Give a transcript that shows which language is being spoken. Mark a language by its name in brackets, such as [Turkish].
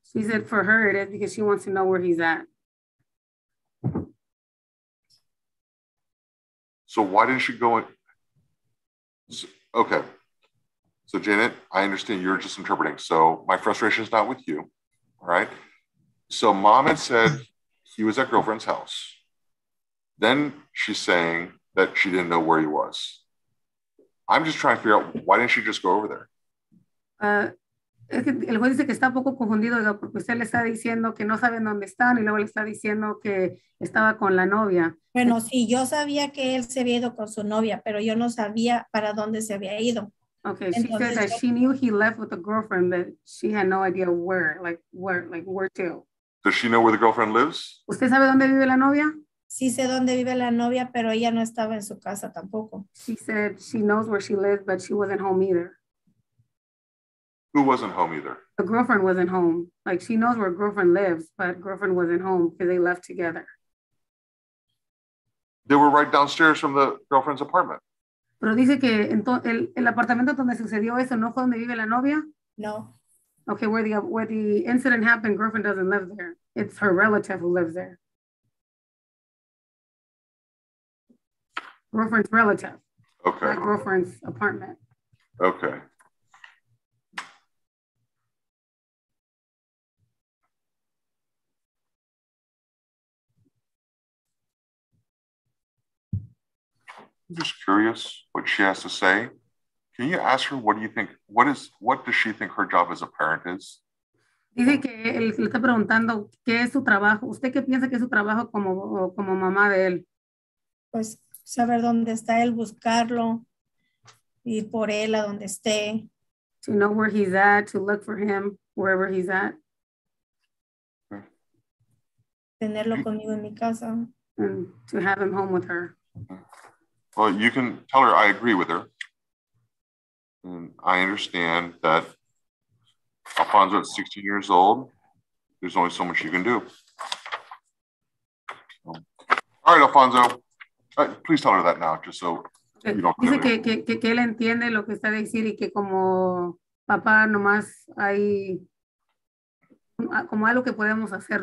[English] She said for her it is because she wants to know where he's at. So why didn't she go in? Okay. So Janet, I understand you're just interpreting. So my frustration is not with you. All right. So mom had said he was at girlfriend's house. Then she's saying that she didn't know where he was. I'm just trying to figure out, why didn't you just go over there? [Spanish] Es que el juez dice que está un poco confundido, porque usted le está diciendo que no saben dónde están y luego le está diciendo que estaba con la novia. Bueno, sí, yo sabía que él se había ido con su novia, pero yo no sabía para dónde se había ido. [English] Okay, she says that she knew he left with a girlfriend, but she had no idea where to. Does she know where the girlfriend lives? [Spanish] ¿Usted sabe dónde vive la novia? Sí sé dónde vive la novia, pero ella no estaba en su casa tampoco. [English] She said she knows where she lives, but she wasn't home either. Who wasn't home either? The girlfriend wasn't home. Like, she knows where girlfriend lives, but girlfriend wasn't home because they left together. They were right downstairs from the girlfriend's apartment. [Spanish] Pero dice que el apartamento donde sucedió eso no fue donde vive la novia? No. [English] Okay, where the incident happened, girlfriend doesn't live there. It's her relative who lives there. Girlfriend's relative. Okay. Not girlfriend's apartment. Okay. I'm just curious what she has to say. Can you ask her, what do you think, what does she think her job as a parent is? [Spanish] Dice que él le está preguntando qué es su trabajo. ¿Usted qué piensa que es su trabajo como mamá de él? Pues saber dónde está él, buscarlo, ir por él a donde esté. [English] To know where he's at, to look for him, wherever he's at. [Spanish] Tenerlo conmigo en mi casa. [English] And to have him home with her. Well, you can tell her I agree with her. And I understand that Alfonso is 16 years old. There's only so much you can do. All right, Alfonso. Please tell her that now, just so you don't. [Spanish] Dice que él entiende lo que está diciendo y que como papá nomás hay como algo que podemos hacer.